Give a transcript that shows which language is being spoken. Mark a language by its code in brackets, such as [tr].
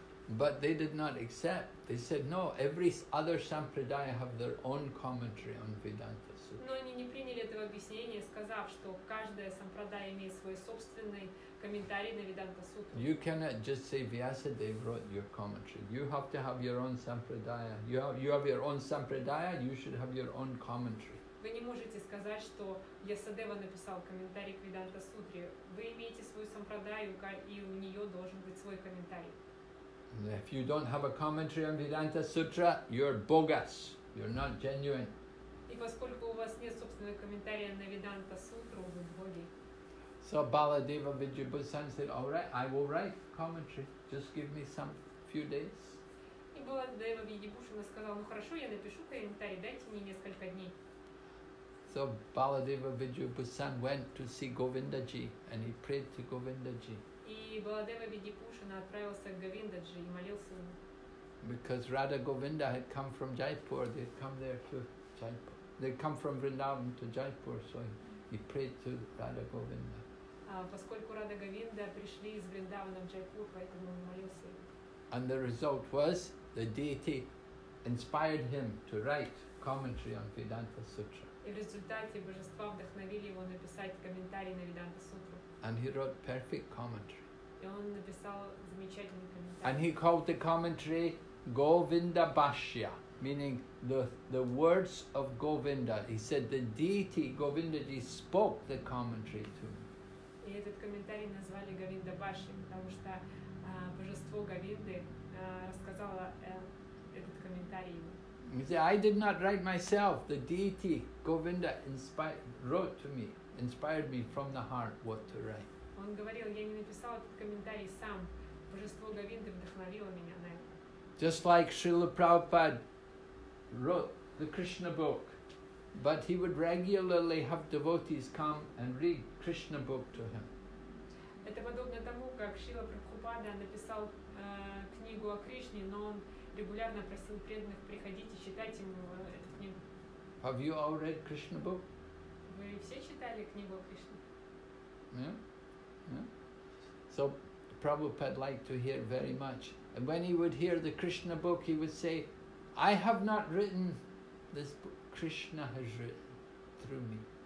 [en] But they did not accept. They said, no, every other sampradaya have their own commentary on Vedanta Sutra. [ru] Но они не приняли этого объяснения, сказав, что каждая сампрадая имеет свой собственный комментарий на Веданта Сутру. [en] You cannot just say Vyasadeva wrote your commentary. You have to have your own sampradaya. You have your own sampradaya, you should have your own commentary. [ru] Вы не можете сказать, что Ясадева написал комментарий к Веданта Сутре. Вы имеете свою сампрадаю, и у нее должен быть свой комментарий. [en] If you don't have a commentary on Vedanta Sutra, you're bogus. You're not genuine. [ru] И поскольку у вас нет собственного комментария на Веданта Сутру, вы боги. [en] So Baladeva Vidyabhushan said, all right, I will write commentary. Just give me some few days. [ru] И Баладева Видьябхушана сказал, ну хорошо, я напишу комментарий, дайте мне несколько дней. [en] So Baladeva Vidyabhushan went to see Govinda Ji and he prayed to Govinda Ji. [ru] И Баладева Видьябхушана отправился к Говиндаджи и молился ему. [en] Because Radha Govinda had come from Jaipur, they had come there to Jaipur. They come from Vrindavan to Jaipur, so he prayed to Radha Govinda. [ru] Поскольку Радха Говинда пришли из Вриндавана в Джайпур, поэтому он молился ему. [en] And the result was the deity inspired him to write commentary on Vedanta Sutra. [ru] И в результате божества вдохновили его написать комментарий на Веданта Сутру. [en] And he wrote perfect commentary. [ru] Он написал замечательный комментарий. [en] And he called the commentary Govinda Bhashya, meaning the words of Govinda. He said the deity Govindaji spoke the commentary to me. [ru] И этот комментарий назвали Говинда Бхашья, потому что божество Говинды рассказало этот комментарий. [en] He said, I did not write myself. The deity Govinda inspired me from the heart what to write. [ru] Он говорил, я не написал этот комментарий сам. Божество Говинды вдохновило меня на это. [en] Just like Srila Prabhupada wrote the Krishna book, but he would regularly have devotees come and read Krishna book to him. [ru] Это подобно тому, как Шрила Прабхупада написал книгу о Кришне, но он регулярно просил преданных приходить и читать ему эту книгу. [en] Have you all read Krishna book? [ru] Вы все читали книгу о Кришне? [en] Yeah. So Prabhupada liked to hear very much. And when he would hear the Krishna book, he would say, I have not written this book, Krishna has written through me.